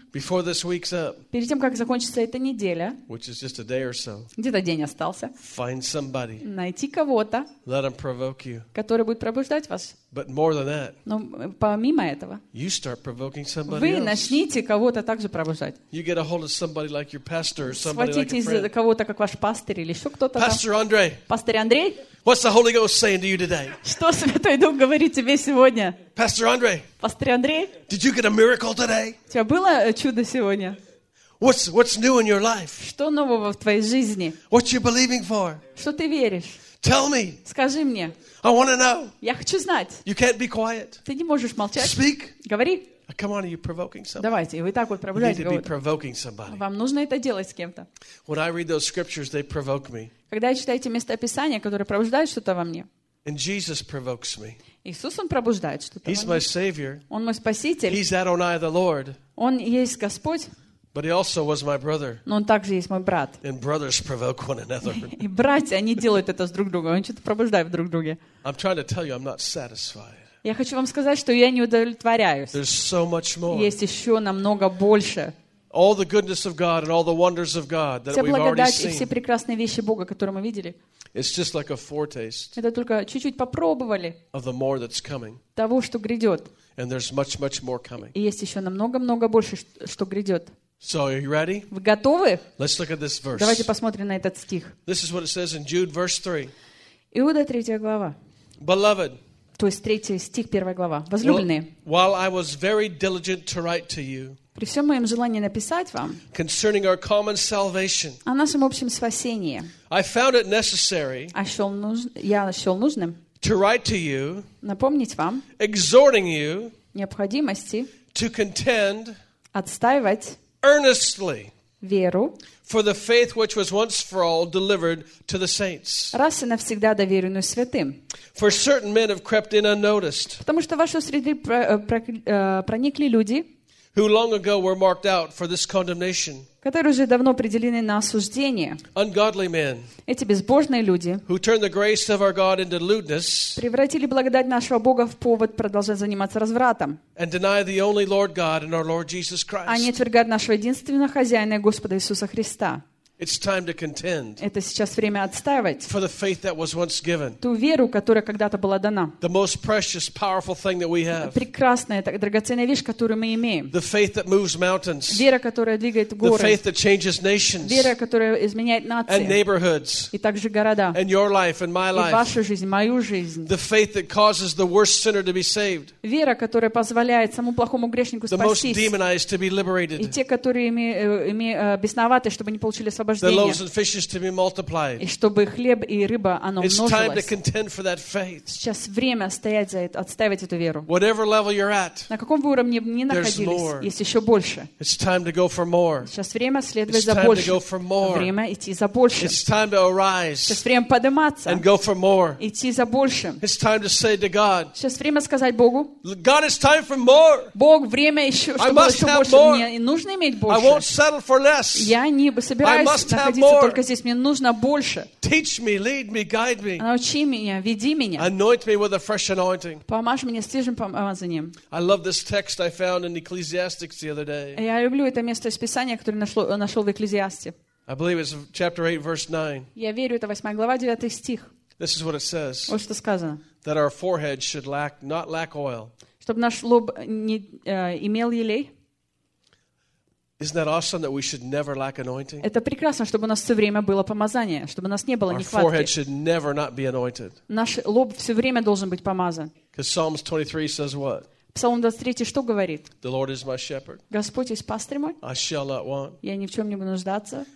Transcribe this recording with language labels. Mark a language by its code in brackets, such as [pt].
[en] Before this week's up. [ru] Перед тем, как закончится эта неделя. [en] Which is just a day or so. [ru] Где-то день остался. [en] Find somebody. [ru] Найти кого-то. [en] Let them provoke you. [ru] Который будет пробуждать вас. [en] But more than that. [ru] Но помимо этого. [en] You start provoking somebody. [ru] Вы начните кого-то также пробуждать. [en] You get a hold of somebody like your pastor or somebody like your friend. [ru] Схватите кого-то как ваш пастырь или еще кто-то. [en] Pastor Andre. [ru] Пастырь Андрей. [en] What's the Holy Ghost saying to you today? [ru] Что Святой Дух говорит тебе сегодня? [en] Pastor Andre. [ru] Пастырь Андрей. [en] Did you get a miracle today? [ru] У тебя было чудо сегодня? [en] What's new in your life? [ru] Что нового в твоей жизни? [en] What you believing for? [ru] Что ты веришь? [en] Tell me. [ru] Скажи мне. [en] I want to know. [ru] Я хочу знать. [en] You can't be quiet. [ru] Ты не можешь молчать. [en] Speak. [ru] Говори. [en] Come on, are you provoking somebody? [ru] Давайте, вы так вот пробуждаете кого-то. [en] You need to be provoking somebody. [ru] Вам нужно это делать с кем-то. [en] When I read those scriptures, they provoke me. [ru] Когда я читаю эти места Писания, которые пробуждают что-то во мне. [en] And Jesus provokes me. [ru] Иисус, Он пробуждает что-то во мне. [en] He's my Savior. [ru] Он мой Спаситель. [en] He's Adonai, the Lord. [ru] Он есть Господь. [en] But he also was my brother. [ru] Но он также есть мой брат. [en] And brothers provoke one another. [ru] И братья, они делают это с друг другом. Они что-то пробуждают друг друга. [en] I'm trying to tell you, I'm not satisfied. [ru] Я хочу вам сказать, что я не удовлетворяюсь. [en] There's so much more. [ru] Есть еще намного больше. [en] All the goodness of God and all the wonders of God that we've already seen. [ru] Вся благодать и все прекрасные вещи Бога, которые мы видели. [en] It's just like a foretaste. [ru] Это только чуть-чуть попробовали. [en] Of the more that's coming. [ru] Того, что грядет. [en] And there's much, much more coming. [ru] И есть еще намного-много больше, что грядет. [en] So are you ready? [ru] Вы готовы? [en] Let's look at this verse. [ru] Давайте посмотрим на этот стих. [en] This is what it says in Jude, verse 3. [ru] Иуда, 3 глава. [en] Beloved. [ru] То есть 3 стих, 1 глава. Возлюбленные. [en] While I was very diligent to write to you. [ru] При всем моем желании написать вам. [en] Concerning our common salvation. [ru] О нашем общем спасении. [en] I found it necessary. [ru] Я нашел нужным. [en] To write to you. [ru] Напомнить вам. [en] Exhorting you. [ru] Необходимости. [en] To contend. [ru] Отстаивать. [en] Earnestly, [ru] веру, [en] for the faith which was once for all delivered to the saints. [ru] Раз и навсегда доверенную святым. [en] For certain men have crept in unnoticed. [ru] Потому что в вашу среду проникли люди. [en] Who long ago were marked out for this condemnation. [ru] Которые уже давно определены на осуждение. [en] Ungodly men. [ru] Эти безбожные люди. [en] Who turned the grace of our God into lewdness. [ru] Превратили благодать нашего Бога в повод продолжать заниматься развратом. [en] And deny the only Lord God and our Lord Jesus Christ. [ru] Они отвергают нашего единственного хозяина Господа Иисуса Христа. [en] It's time to contend. [ru] Это сейчас время отстаивать. [en] For the faith that was once given. [ru] Ту веру, которая когда-то была дана. [en] The most precious, powerful thing that we have. [ru] Прекрасная, так, драгоценная вещь, которую мы имеем. [en] The faith that moves mountains. [ru] Вера, которая двигает горы. [en] The faith that changes nations. [ru] Вера, которая изменяет нации. [en] And neighborhoods. [ru] И также города. [en] And your life and my life. [ru] И вашу жизнь, мою жизнь. [en] The faith that causes the worst sinner to be saved. [ru] Вера, которая позволяет самому плохому грешнику спастись. [en] The most demonized to be liberated. [ru] И те, которые бесноватые, чтобы не получили свободу. [en] The loaves and fishes to be multiplied. [ru] И чтобы хлеб и рыба, оно [en] It's [ru] множилось. [en] Time to contend for that faith. [ru] Сейчас время стоять за это, отстаивать эту веру. [en] Whatever level you're at, [ru] на каком вы уровне ни находились, есть еще больше. [en] It's time to go for more. [ru] Сейчас время следовать [en] It's [ru] за [en] time [ru] больше. [en] To go for more. [ru] Время идти за большим. [en] It's time to arise [ru] сейчас время подниматься [en] and go for more. [ru] Идти за большим. [en] It's time to say to God, [ru] сейчас время сказать Богу, [en] God, it's time for more. [ru] Бог, время еще, чтобы [en] I must [ru] еще [en] have [ru] больше. [en] More. [ru] Мне нужно иметь больше. [en] I won't settle for less. [ru] Я не собираюсь находиться только здесь. Мне нужно больше. [en] Teach me, lead me, guide me. [ru] Научи меня, веди меня. [en] Anoint me with a fresh anointing. [ru] Помажь меня свежим помазанием. [en] I love this text I found in Ecclesiastes the other day. [ru] Я люблю это место из Писания, которое нашел в Экклезиасте. [en] I believe it's chapter 8, verse 9. [ru] Я верю, это 8 глава, 9 стих. [en] This is what it says. [ru] Вот что сказано. [en] That our forehead should not lack oil. [ru] Чтобы наш лоб не имел елей. [en] Isn't that awesome that we should never lack anointing? [ru] Это прекрасно, чтобы у нас все время было помазание, чтобы у нас не было нехватки. [en] Our forehead should never not be anointed. [ru] Наш лоб все время должен быть помазан. [en] Because Psalms 23 says what? [ru] Псалом 23 что говорит? [en] The Lord is my shepherd. [ru] Господь есть пастырь мой. [en] I shall not want. [ru] Я ни в чем не буду нуждаться.